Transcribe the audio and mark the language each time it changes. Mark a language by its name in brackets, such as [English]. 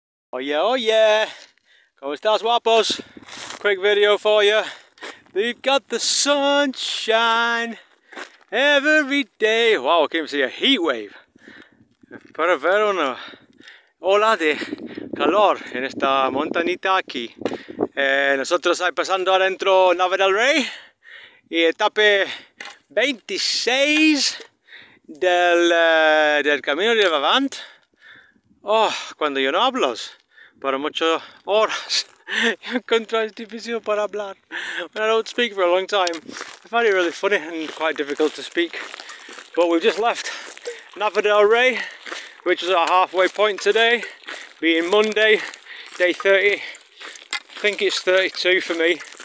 [Spanish] Oye, oye, ¿cómo estás, guapos? [English] Quick video for you. They've got the sunshine every day. Wow, I came to see a heat wave. [Spanish] Para ver una ola de calor en esta montañita aquí. Nosotros ahí pasando adentro Nave del Rey. Y etapa 26 del Camino de Levant. Oh, cuando yo no hablo. Para muchas horas. Encontré es difícil para hablar. [English] But I don't speak for a long time. I find it really funny and quite difficult to speak. But we've just left Nave del Rey, which is our halfway point today, being Monday, day 30. I think it's 32 for me.